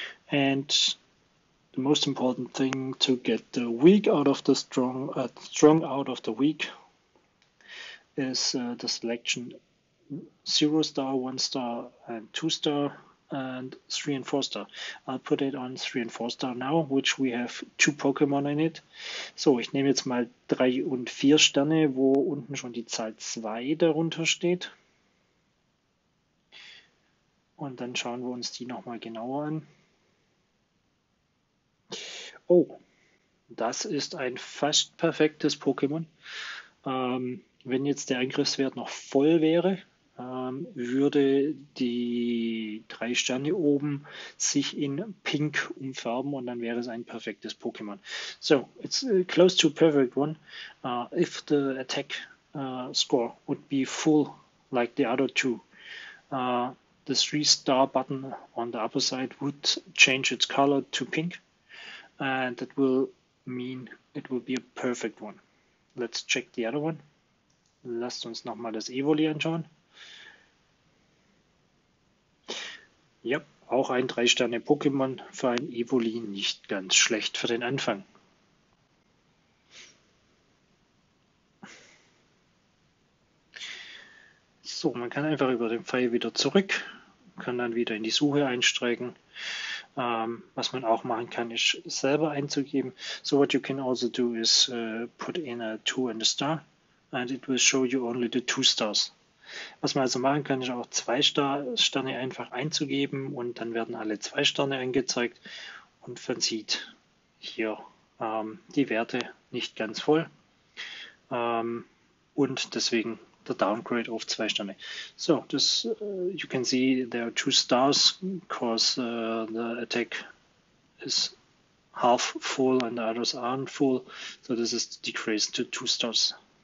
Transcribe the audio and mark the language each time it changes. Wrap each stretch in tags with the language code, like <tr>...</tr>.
<en>And the most important thing to get the weak out of the strong, strong out of the weak is the selection 0 star, 1 star and 2 star. And 3 and 4 star. I'll put it on 3 and 4 star now, which we have two Pokémon in it.</en> <de>So, ich nehme jetzt mal 3 und 4 Sterne, wo unten schon die Zahl 2 darunter steht. Und dann schauen wir uns die nochmal genauer an. Oh, das ist ein fast perfektes Pokémon. Wenn jetzt der Angriffswert noch voll wäre, würde die 3 Sterne oben sich in Pink umfärben und dann wäre es ein perfektes Pokémon.</de> <en>So, it's close to perfect one. If the attack score would be full like the other two, the 3-star button on the upper side would change its color to pink and that will mean it will be a perfect one. Let's check the other one.</en> <de>Lasst uns nochmal das Evoli anschauen. Ja, yep, auch ein 3-Sterne-Pokémon für ein Evoli nicht ganz schlecht für den Anfang. So, man kann einfach über den Pfeil wieder zurück, kann dann wieder in die Suche einsteigen. Was man auch machen kann, ist selber einzugeben.</de> <en>So, what you can also do is put in a 2 and a star, and it will show you only the 2 stars.</en> <de>Was man also machen kann, ist auch 2 Sterne einfach einzugeben und dann werden alle 2 Sterne angezeigt und man sieht hier die Werte nicht ganz voll und deswegen der Downgrade auf 2 Sterne.</de> <en>So, das, you can see there are 2 stars, because the attack is half full and the others aren't full, so this is decreased to 2 stars.</en>